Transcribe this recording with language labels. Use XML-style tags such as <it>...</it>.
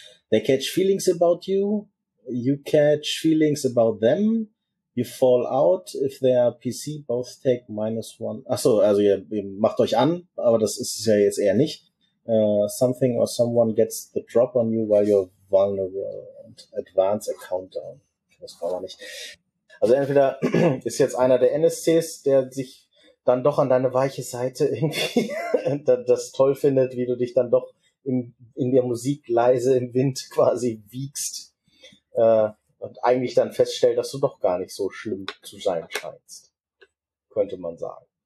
<en>They catch feelings about you, you catch feelings about them, you fall out, if they are PC, both take minus one.</en> <de>Achso, also ihr macht euch an, aber das ist es ja jetzt eher nicht.</de> <en>Something or someone gets the drop on you while you're vulnerable. Advance a Countdown.</en> <de>Das brauchen wir nicht. Also entweder ist jetzt einer der NSCs, der sich dann doch an deine weiche Seite irgendwie das toll findet, wie du dich dann doch in der Musik leise im Wind quasi wiegst und eigentlich dann feststellt, dass du doch gar nicht so schlimm zu sein scheinst. Könnte man sagen.</de>